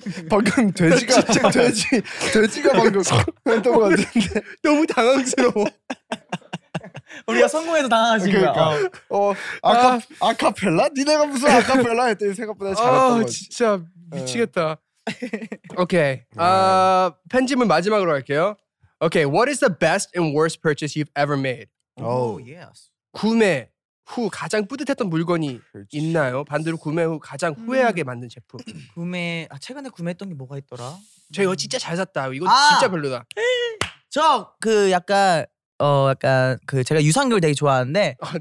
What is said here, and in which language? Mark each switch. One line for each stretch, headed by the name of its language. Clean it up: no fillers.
Korean: 방금 돼지가 돼지가 방금 했던 것 같은데 너무 당황스러워. 우리가 성공해서 당황하신 그러니까. 거야. 아카펠라? 니네가 무슨 아카펠라 했더니 생각보다 잘했던 거지. 진짜 미치겠다. 오케이. 편집은 마지막으로 할게요.
English: Okay, what is the best and worst purchase you've ever made? Oh, yes.
Korean: 구매 후 가장 뿌듯했던 물건이 그렇지. 있나요? 반대로 구매 후 가장 후회하게 만든 제품. 구매 최근에 구매했던 게 뭐가 있더라? 저 이거 진짜 잘 샀다. 이거 아, 진짜 별로다. 저 그 약간 약간 그 제가 유산균을 되게 좋아하는데 아, 네.